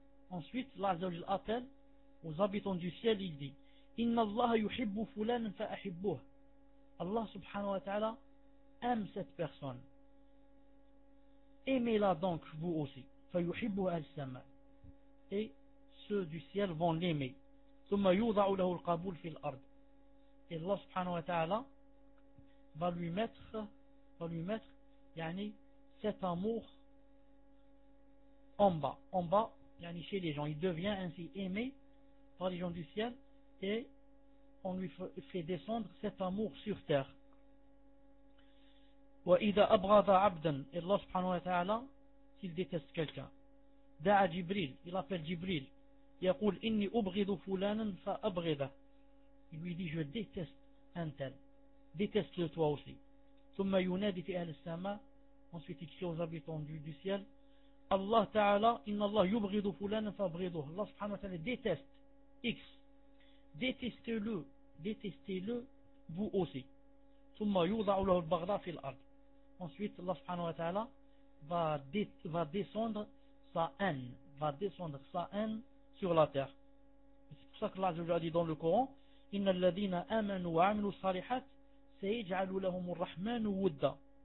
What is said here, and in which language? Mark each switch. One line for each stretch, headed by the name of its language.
French: Ensuite, الله عز وجل appelle aux habitants du ciel, il dit,
Arabic: إن الله يحب فلان فأحبه.
French: Allah سبحانه وتعالى aime cette personne. Aimez-la donc vous aussi.
Arabic: فيحبه السماء.
French: Et ceux du ciel vont l'aimer.
Arabic: ثم يوضع له القبول في الأرض.
French: Et Allah سبحانه وتعالى va lui mettre, يعني, cet amour en bas, yani chez les gens. Il devient ainsi aimé par les gens du ciel et on lui fait descendre cet amour sur terre.
Arabic: Wa idha abghadha 'abdan,
French: Allah subhanahu wa ta'ala, s'il déteste quelqu'un,
Arabic: دعا جبريل إلى فل جبريل يقول إني أبغض فلانا فأبغضه.
French: Il lui dit je déteste un tel, déteste-le toi aussi.
Arabic: ثم ينادي في أهل السماء.
French: Ensuite il crie aux habitants du ciel.
Arabic: الله تعالى إن الله يبغض فلانا فأبغضه. الله سبحانه وتعالى
French: déteste X. Détestez-le, détestez-le vous aussi.
Arabic: ثم يوضع له البغضاء في الأرض.
French: Ensuite الله سبحانه وتعالى va descendre sa haine, va descendre sa haine sur la terre. C'est pour ça que Allah a dit dans le Coran,
Arabic: إن الذين آمنوا وعملوا الصالحات سيجعل لهم الرحمن ودا.